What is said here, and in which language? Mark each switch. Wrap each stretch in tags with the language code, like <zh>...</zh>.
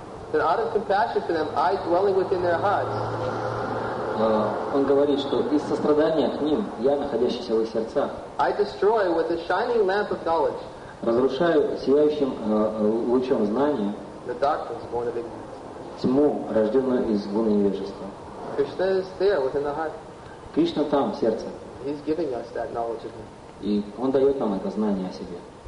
<en>That out of compassion for them, I dwelling within their hearts.</en> <ru>Он говорит, что из сострадания к ним, я, находящийся в их сердцах,</ru> <en>I destroy with the shining lamp of knowledge.</en> <ru>Разрушаю сияющим лучом знания</ru> <en>the darkness born of ignorance.</en> <ru>Тьму, рожденную из глубины невежества.</ru> <en>Krishna is there within the heart.</en> <ru>Кришна там, в сердце.</ru> <en>He's giving us that knowledge of him.</en> <ru>И Он дает нам это знание о себе.</ru>